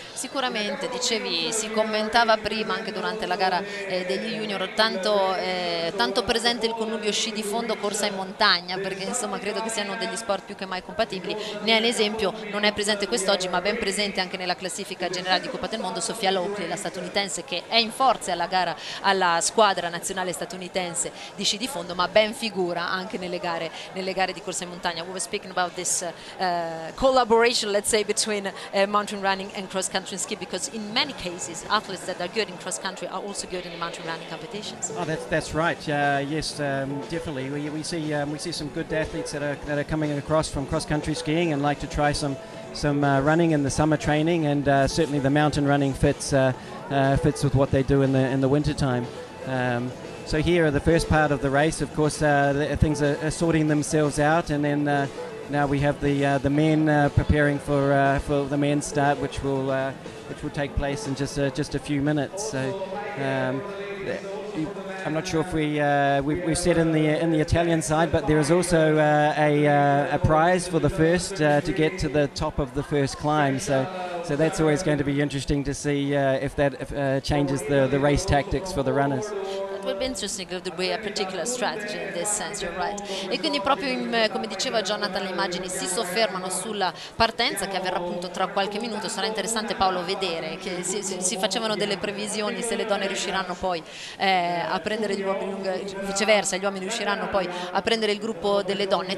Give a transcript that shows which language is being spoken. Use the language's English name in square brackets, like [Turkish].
[Italian] sicuramente, dicevi, si commentava prima anche durante la gara degli junior, tanto presente il connubio sci di fondo, corsa in montagna, perché insomma credo che siano degli sport più che mai compatibili. Ne è l'esempio, non è presente quest'oggi ma ben presente anche nella classifica generale di Coppa del Mondo, Sophia Lockley, la statunitense, che è in forza alla gara, alla squadra nazionale statunitense di sci di fondo, ma ben figura anche nelle gare di corsa in montagna. [English] We were speaking about this collaboration, let's say, between mountain running and cross country ski, because in many cases athletes that are good in cross country are also good in the mountain running competitions. Oh, that's right. Definitely. We see some good athletes that are coming across from cross country skiing and like to try some running in the summer training, and certainly the mountain running fits with what they do in the winter time. So here are the first part of the race. Of course, things are sorting themselves out, and then now we have the men preparing for the men's start, which will take place in just a few minutes. So I'm not sure if we've said in the Italian side, but there is also a prize for the first to get to the top of the first climb. So that's always going to be interesting to see if that changes the race tactics for the runners. It would be interesting if there were a particular strategy in this sense, you're right. [Italian] E quindi proprio come diceva Jonathan, le immagini si soffermano sulla partenza che avverrà appunto tra qualche minuto. Sarà interessante, Paolo, vedere che si facevano delle previsioni se le donne riusciranno poi a prendere gli uomini, viceversa gli uomini riusciranno poi a prendere il gruppo delle donne.